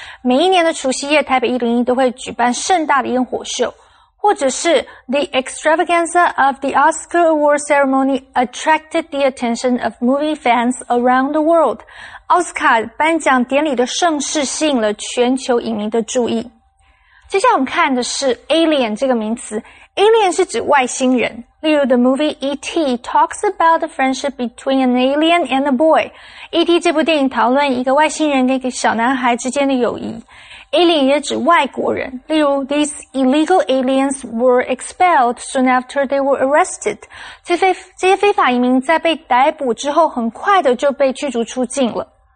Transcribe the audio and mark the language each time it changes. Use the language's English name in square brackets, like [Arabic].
[Chinese] 每一年的除夕夜台北101都会举办盛大的烟火秀。或者是 [English] The extravaganza of the Oscar Award ceremony attracted the attention of movie fans around the world. [Chinese] 奥斯卡颁奖典礼的盛世吸引了全球影迷的注意。接下来我们看的是 alien 这个名词。Alien 是指外星人。 [English] 例如 The movie E.T. talks about the friendship between an alien and a boy. E.T. [Chinese] 这部电影讨论一个外星人跟一个小男孩之间的友谊。 [English] Alien [Chinese] 也指外国人，例如 [English] These illegal aliens were expelled soon after they were arrested. [Chinese] 这些非法移民在被逮捕之后很快的就被驱逐出境了。